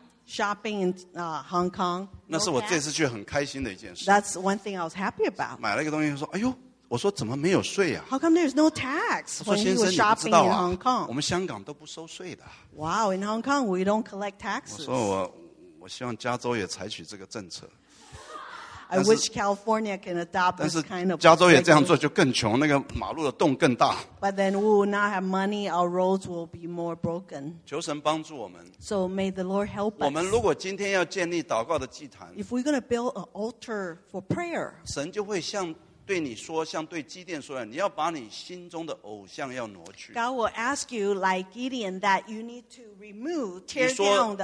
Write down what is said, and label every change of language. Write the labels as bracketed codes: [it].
[en] Shopping in Hong Kong. [zh] 那是我这次去很开心的一件事。 [en] That's one thing I was happy about. [zh] 买了一个东西，说：“哎呦，我说怎么没有税呀 [en] ？”How come there's no tax? [zh] 我说：“先生，你不知道啊，我们香港都不收税的。 [en] ”Wow, in Hong Kong, we don't collect taxes. [zh] 我说我希望加州也采取这个政策。 [en] I wish California can adopt this kind of. [zh] 加州也这样做就更穷，那个马路的洞更大。 [en] But then we will not have money. Our roads will be more broken. [zh] 求神帮助我们。 [en] So may the Lord help us. [zh] 我们如果今天要建立祷告的祭坛， [en] If we're going to build an altar for prayer, [zh] 神就会像对你说，像对基甸说，你要把你心中的偶像要挪去。 [en] God will ask you, like Gideon, that you need to remove, tear down the